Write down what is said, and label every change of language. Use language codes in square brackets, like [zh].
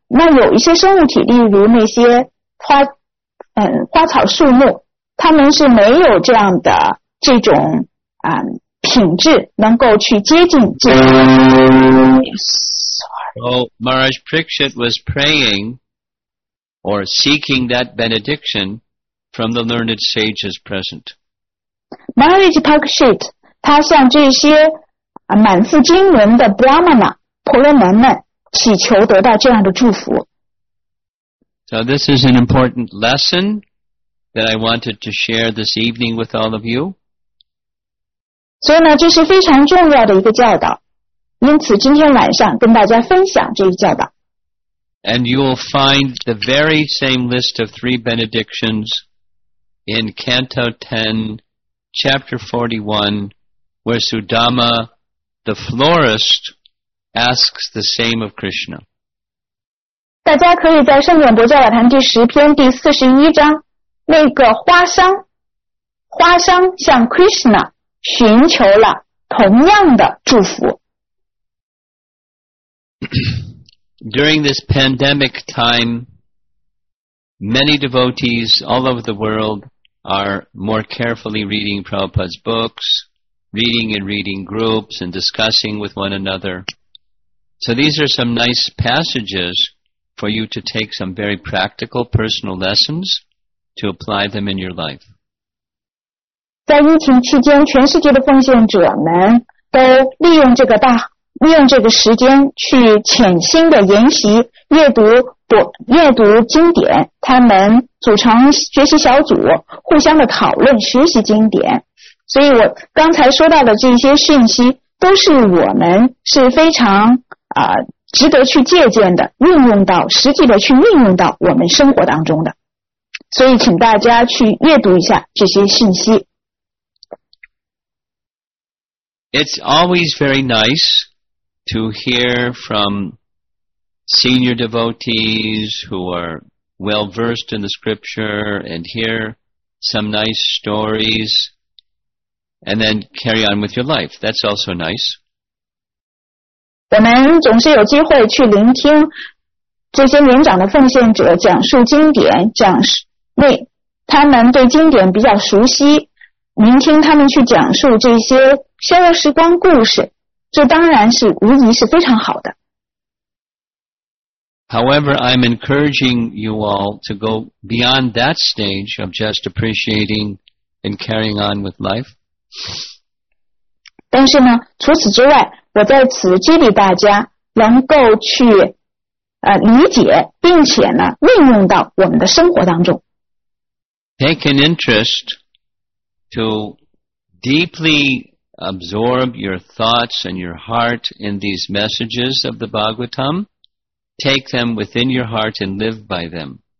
[zh] 那有一些生物体，例如那些花草树木，他们是没有这样的这种品质能够去接近这个。 [en] So Maharaj Pariksit was praying or seeking that benediction from the learned sages present. [zh] Maharaj Pariksit 他向这些满腹经纶的 Brahmana 婆罗门们祈求得到这样的祝福。 [en] So this is an important lesson that I wanted to share this evening with all of you. [zh] 所以呢，这是非常重要的一个教导，因此今天晚上跟大家分享这一教导。 [en] And you will find the very same list of three benedictions in Canto 10, Chapter 41, where Sudama, the florist, asks the same of Krishna. [zh] 大家可以在圣远博教导坛第十篇第四十一章，那个花商向 Krishna 寻求了同样的祝福。 [en] During this pandemic time, many devotees all over the world are more carefully reading Prabhupada's books, reading in reading groups, and discussing with one another. So these are some nice passages for you to take some very practical personal lessons to apply them in your life. [zh] 在疫情期间，全世界的奉献者们都利用这个时间去潜心的研习阅读经典，他们组成学习小组，互相的讨论学习经典。所以我刚才说到的这些讯息都是我们是非常值得去借鉴的，运用到实际的去运用到我们生活当中的。所以请大家去阅读一下这些讯息。 [en] It's always very nice to hear from senior devotees who are well versed in the scripture and hear some nice stories and then carry on with your life. That's also nice. [zh] 我们总是有机会去聆听这些年长的奉献者讲述经典，讲述他们对经典比较熟悉，聆听他们去讲述这些逍遥时光故事，这当然是无疑是非常好的。 [en] However, I'm encouraging you all to go beyond that stage of just appreciating and carrying on with life. [zh] 但是呢，除此之外，我在此激励大家能够去理解并且呢运用到我们的生活当中。 [en] Take an interest to deeply absorb your thoughts and your heart in these messages of the Bhagavatam. Take them within your heart and live by them.